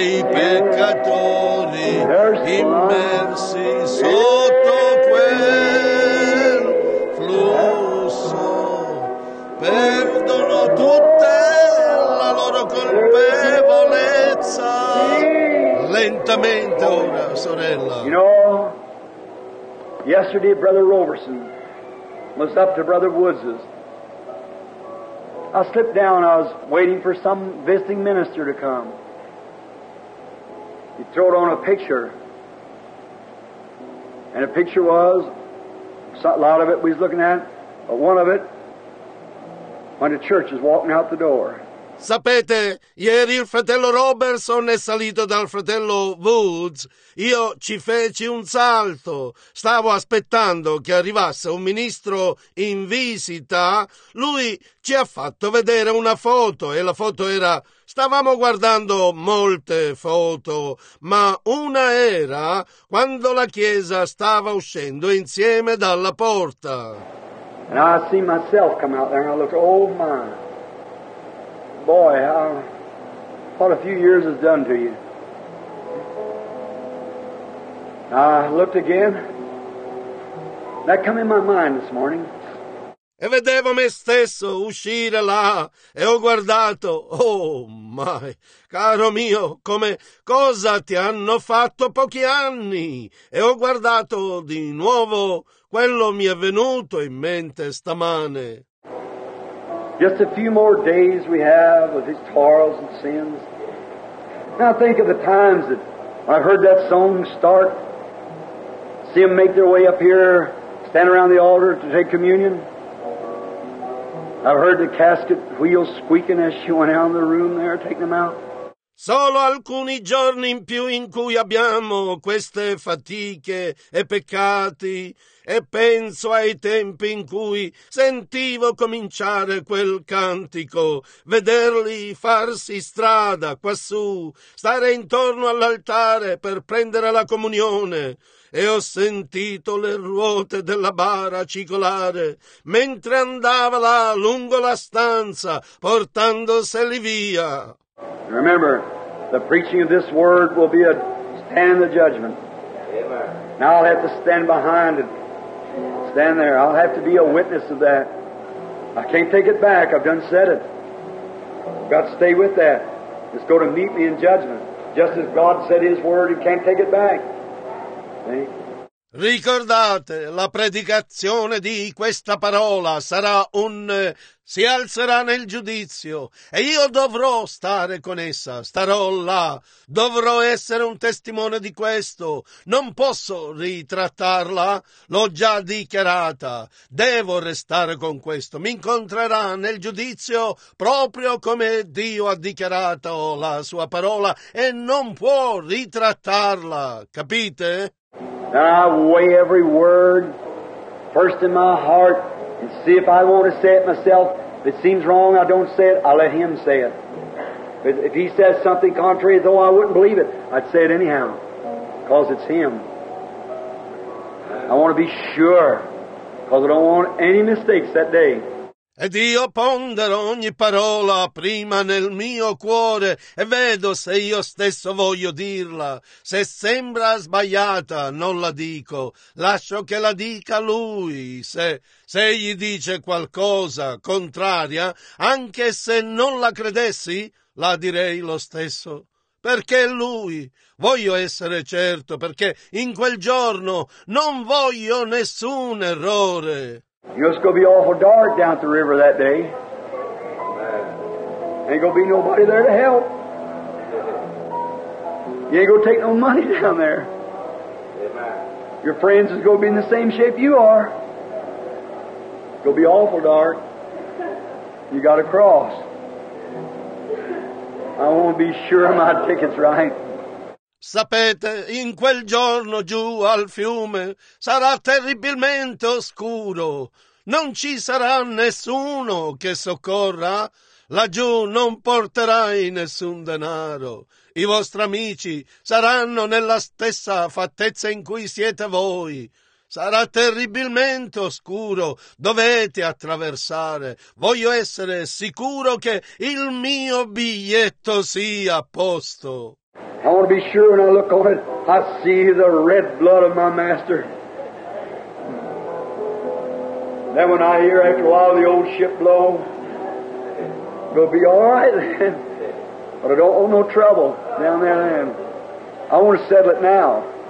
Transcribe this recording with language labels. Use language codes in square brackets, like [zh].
[it] Peccatori immersi sotto quel flusso perdono tutta la loro colpevolezza. Lentamente ora, sorella. [en] You know, yesterday Brother Roberson was up to Brother Woods's. I slipped down, I was waiting for some visiting minister to come. He threw on a picture, and the picture was, a lot of it we was looking at, but one of it, when the church is walking out the door. [it] Sapete, ieri il fratello Robertson è salito dal fratello Woods. Io ci feci un salto. Stavo aspettando che arrivasse un ministro in visita. Lui ci ha fatto vedere una foto e la foto era... Stavamo guardando molte foto, ma una era quando la chiesa stava uscendo insieme dalla porta. [en] And I see myself come out there and I look, oh my. Boy, what a few years has done to you. I looked again. That come in my mind this morning. [it] E vedevo me stesso uscire là e ho guardato, [en] oh my, [it] caro mio, come cosa ti hanno fatto pochi anni. E ho guardato di nuovo, quello mi è venuto in mente stamane. [en] Just a few more days we have with these toils and sins. Now think of the times that I heard that song start, see them make their way up here, stand around the altar to take communion. I heard the casket wheels squeaking as she went out in the room there, taking them out. [it] Solo alcuni giorni in più in cui abbiamo queste fatiche e peccati, e penso ai tempi in cui sentivo cominciare quel cantico, vederli farsi strada quassù, stare intorno all'altare per prendere la comunione. E ho sentito le ruote della bara cicolare mentre andava là lungo la stanza portandoseli via. [en] Remember, the preaching of this word will be a stand the judgment. Amen. Now I'll have to stand behind and stand there. I'll have to be a witness of that. I can't take it back. I've done said it. I've got to stay with that. It's going to meet me in judgment, just as God said His word. He can't take it back. See? [it] Ricordate, la predicazione di questa parola sarà un si alzerà nel giudizio e io dovrò stare con essa, starò là, dovrò essere un testimone di questo, non posso ritrattarla, l'ho già dichiarata, devo restare con questo, mi incontrerà nel giudizio proprio come Dio ha dichiarato la sua parola e non può ritrattarla, capite? [en] Now I weigh every word first in my heart and see if I want to say it myself. If it seems wrong, I don't say it. I let Him say it. But if He says something contrary, though I wouldn't believe it, I'd say it anyhow because it's Him. I want to be sure because I don't want any mistakes that day. [it] Ed io ponderò ogni parola prima nel mio cuore e vedo se io stesso voglio dirla. Se sembra sbagliata, non la dico. Lascio che la dica lui. Se egli dice qualcosa contraria, anche se non la credessi, la direi lo stesso. Perché lui, voglio essere certo, perché in quel giorno non voglio nessun errore. [en] You know, it's going to be awful dark down at the river that day. Ain't going to be nobody there to help. You ain't going to take no money down there. Your friends is going to be in the same shape you are. It's going to be awful dark. You got to cross. I want to be sure my ticket's right. [it] Sapete, in quel giorno giù al fiume sarà terribilmente oscuro. Non ci sarà nessuno che soccorra. Laggiù non porterai nessun denaro. I vostri amici saranno nella stessa fattezza in cui siete voi. Sarà terribilmente oscuro. Dovete attraversare. Voglio essere sicuro che il mio biglietto sia a posto. [en] I want to be sure when I look on it, I see the red blood of my master. Then when I hear after a while the old ship blow, it'll be all right then. But I don't want no trouble down there then. I want to settle it now.